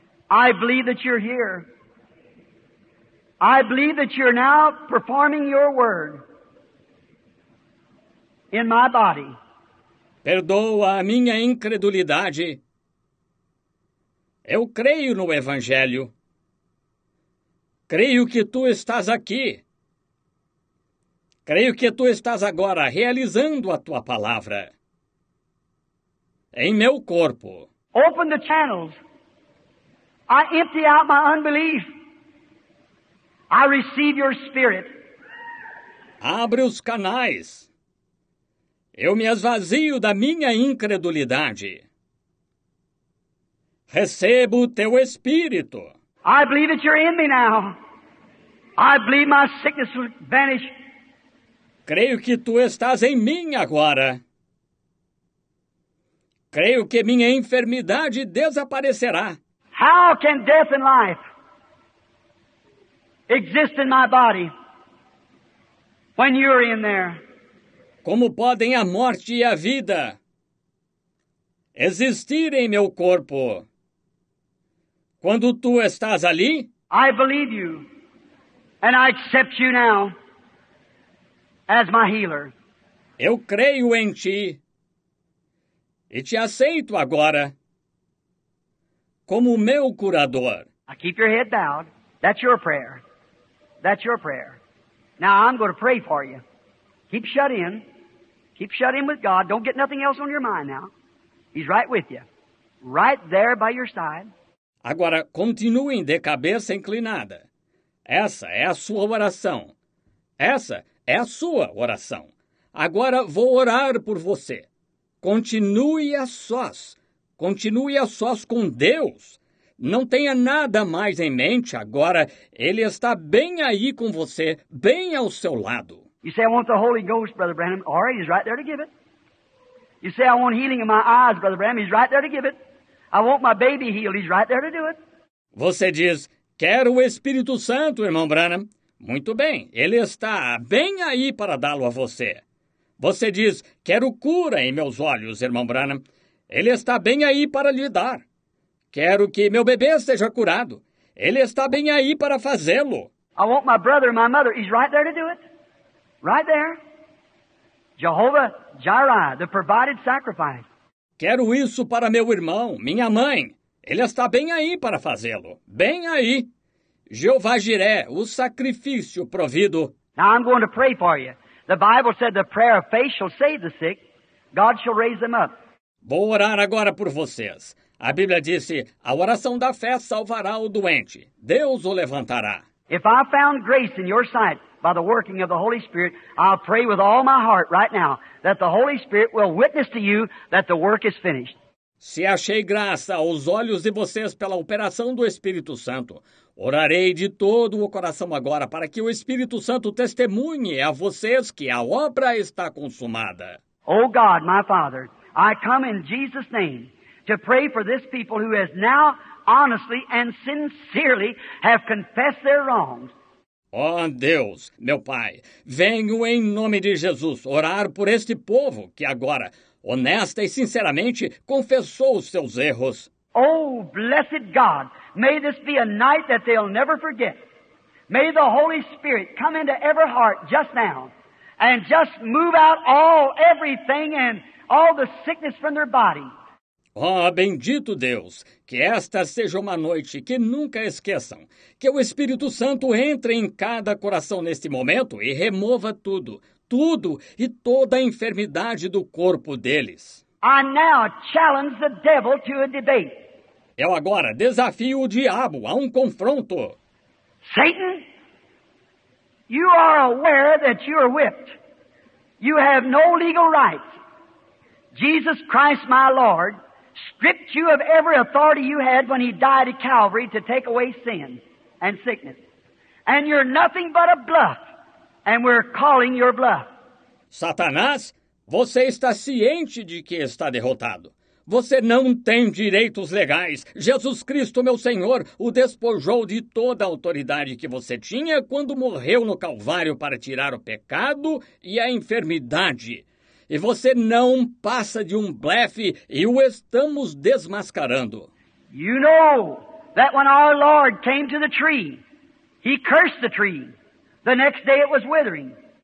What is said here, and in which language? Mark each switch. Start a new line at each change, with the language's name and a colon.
English: I believe that you're here. I believe that you're now performing your word in my body.
Portuguese: Perdoa a minha incredulidade. Eu creio no Evangelho. Creio que tu estás aqui. Creio que tu estás agora realizando a tua palavra em meu corpo.
English: Open the channels. I empty out my unbelief. I receive your spirit.
Portuguese: Abre os canais. Eu me esvazio da minha incredulidade. Recebo o teu espírito.
English: I believe that you're in me now. I believe my sickness will vanish.
Portuguese: Creio que tu estás em mim agora. Creio que minha enfermidade desaparecerá.
English: How can death and life exist in my body when you're in there?
Portuguese: Como podem a morte e a vida existir em meu corpo quando tu estás ali?
English: I believe you, and I accept you now as my healer.
Portuguese: Eu creio em ti e te aceito agora como meu curador.
English: Now keep your head bowed. That's your prayer. That's your prayer. Now I'm going to pray for you. Keep shut in. Keep shut in with God. Don't get nothing else on your mind now. He's right with you. Right there by your side.
Portuguese: Agora, continuem de cabeça inclinada. Essa é a sua oração. Essa é a sua oração. Agora vou orar por você. Continue a sós. Continue a sós com Deus. Não tenha nada mais em mente agora. Ele está bem aí com você, bem ao seu lado.
English: You say, I want the Holy Ghost, Brother Branham. All right, he's right there to give it. You say, I want healing in my eyes, Brother Branham. He's right there to give it. I want my baby healed. He's right there to do it.
Portuguese: Você diz, quero o Espírito Santo, irmão Branham. Muito bem, ele está bem aí para dá-lo a você. Você diz, quero cura em meus olhos, irmão Branham. Ele está bem aí para lhe dar. Quero que meu bebê seja curado. Ele está bem aí para fazê-lo.
English: I want my brother and my mother. He's right there to do it. Right there. Jehovah Jireh, the provided sacrifice.
Portuguese: Quero isso para meu irmão, minha mãe. Ele está bem aí para fazê-lo. Bem aí. Jeová Jireh, o sacrifício provido.
English: Now I'm going to pray for you. The Bible said the prayer of faith shall save the sick. God shall raise them up.
Portuguese: Vou orar agora por vocês. A Bíblia disse, a oração da fé salvará o doente. Deus o levantará.
English: If I found grace in your sight by the working of the Holy Spirit, I'll pray with all my heart right now that the Holy Spirit will witness to you that the work is finished.
Portuguese: Se achei graça aos olhos de vocês pela operação do Espírito Santo, orarei de todo o coração agora para que o Espírito Santo testemunhe a vocês que a obra está consumada.
English: Oh God, my Father, I come in Jesus' name to pray for this people who has now honestly and sincerely have confessed their wrongs.
Portuguese: Oh, Deus, meu Pai, venho em nome de Jesus orar por este povo que agora, honesta e sinceramente, confessou os seus erros.
English: Oh, blessed God, may this be a night that they'll never forget. May the Holy Spirit come into every heart just now and just move out all, everything and all the sickness from their body.
Portuguese: Oh, bendito Deus, que esta seja uma noite que nunca esqueçam. Que o Espírito Santo entre em cada coração neste momento e remova tudo, tudo e toda a enfermidade do corpo deles.
English: I now challenge the devil to a debate.
Portuguese: Eu agora desafio o diabo a um confronto.
English: Satan, you are aware that you are whipped. You have no legal right. Jesus Christ, my Lord, stripped you of every authority you had when he died at Calvary to take away sin and sickness. And you're nothing but a bluff, and we're calling your bluff.
Portuguese: Satanás, você está ciente de que está derrotado. Você não tem direitos legais. Jesus Cristo, meu Senhor, o despojou de toda a autoridade que você tinha quando morreu no Calvário para tirar o pecado e a enfermidade. E você não passa de um blefe e o estamos desmascarando.
English: You know that when our Lord came to the tree, he cursed the tree. The next day it was withering.